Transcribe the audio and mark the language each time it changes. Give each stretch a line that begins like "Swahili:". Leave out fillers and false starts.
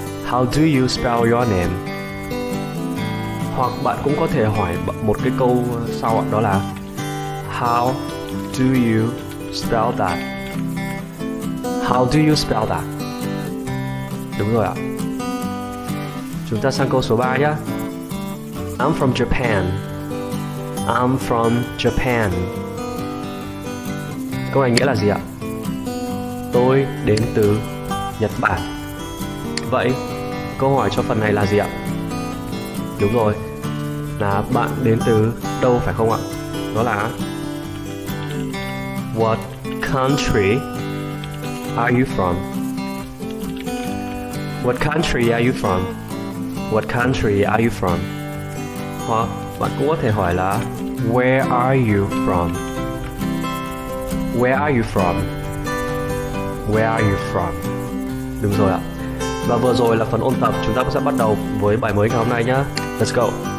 English: How do you spell your name?
Vietnamese: Hoặc bạn cũng có thể hỏi một cái câu sau ạ, đó là
English: How do you spell that? How do you spell that?
Vietnamese: Đúng rồi ạ. Chúng ta sang câu số 3 nhé.
English: I'm from Japan. I'm from Japan.
Vietnamese: Câu này nghĩa là gì ạ? Tôi đến từ Nhật Bản. Vậy câu hỏi cho phần này là gì ạ? Đúng rồi, là bạn đến từ đâu phải không ạ? Đó là
English: What country are you from? What country are you from? What country are you from?
Vietnamese: Hoặc bạn cũng có thể hỏi là
English: Where are you from? Where are you from? Where are you from?
Vietnamese: Đúng rồi ạ. Và vừa rồi là phần ôn tập, chúng ta sẽ bắt đầu với bài mới ngày hôm nay nhé.
English: Let's go.